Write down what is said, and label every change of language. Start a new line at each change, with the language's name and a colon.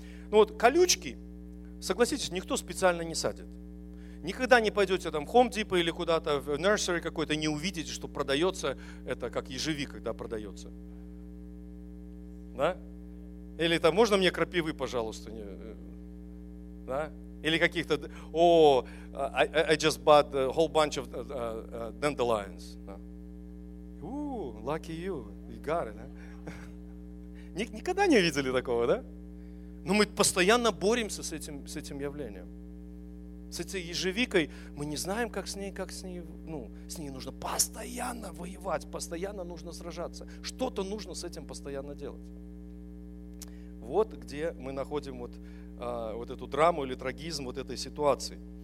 Russian: Ну вот колючки, согласитесь, никто специально не садит. Никогда не пойдете там в Home Depot или куда-то в nursery какой-то, не увидите, что продается это, как ежевика, когда продается. Да? Или там, можно мне крапивы, пожалуйста? Да? Или каких-то,
English: I just bought a whole bunch of dandelions. Lucky you, you got it. Huh?
Russian: Никогда не видели такого, да? Но мы постоянно боремся с этим явлением. С этой ежевикой мы не знаем, как с ней, ну, с ней нужно постоянно воевать, постоянно нужно сражаться. Что-то нужно с этим постоянно делать. Вот где мы находим вот эту драму или трагизм вот этой ситуации.